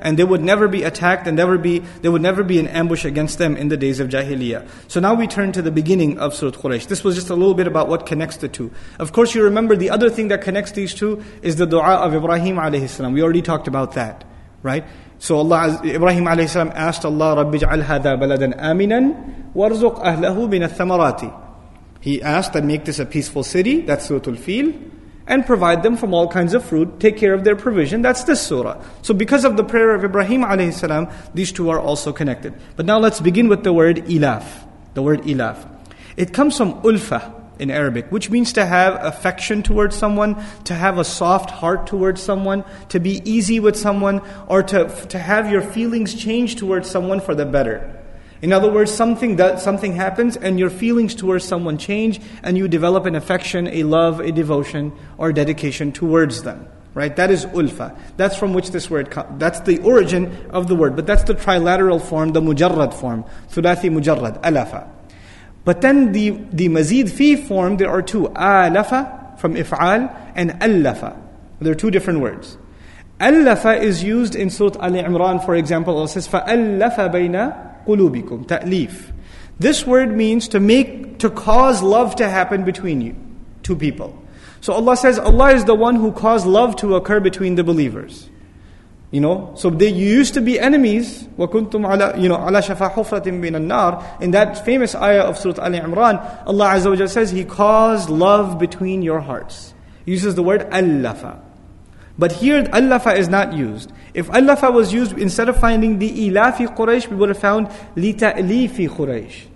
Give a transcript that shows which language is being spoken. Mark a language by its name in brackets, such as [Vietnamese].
[English] And they would never be attacked, and there would never be an ambush against them in the days of Jahiliyyah. So now we turn to the beginning of Surah Quraysh. This was just a little bit about what connects the two. Of course, you remember the other thing that connects these two is the dua of Ibrahim alayhi salam. We already talked about that, right? So Allah, Ibrahim alayhi salam asked Allah, [Arabic] رَبِّ اجْعَلْ هَذَا بَلَدًا آمِنًا وَارْزُقْ أَهْلَهُ مِنَ الثَّمَرَاتِ. [English] He asked that, make this a peaceful city, that's Surah Al-Fil, and provide them from all kinds of fruit, take care of their provision, that's this surah. So because of the prayer of Ibrahim alayhi salam, these two are also connected. But now let's begin with the word ilaf. The word ilaf. It comes from ulfa in Arabic, which means to have affection towards someone, to have a soft heart towards someone, to be easy with someone, or to have your feelings change towards someone for the better. In other words, something happens and your feelings towards someone change, and you develop an affection, a love, a devotion, or dedication towards them. Right? That is ulfa. That's from which this word comes. That's the origin of the word. But that's the trilateral form, the mujarrad form. Thulathi mujarrad, alafa. But then the mazid fi form, there are two. Alafa from if'al and allafa. They're two different words. Allafa is used in Surah Ali Imran, for example. Allah says, [Arabic] فَأَلَّفَ بَيْنَ قُلُوبِكُمْ تَأْلِيف. [English] This word means to cause love to happen between you, two people. So Allah says, Allah is the one who caused love to occur between the believers. You know, so they used to be enemies. [Arabic] وَكُنْتُمْ عَلَى, [English] you know, [Arabic] عَلَى شَفَى حُفْرَةٍ مِّنَ النَّارِ. [English] In that famous ayah of Surah Ali Imran, Allah Azza wa Jalla says, He caused love between your hearts. He uses the word أَلَّفَ. But here, أَلَّفَ is not used. If أَلَّفَ was used, instead of finding the [Arabic] إِلَافِ قُرَيْشِ, [English] we would have found [Arabic] لِتَأْلِيفِ قُرَيْشِ.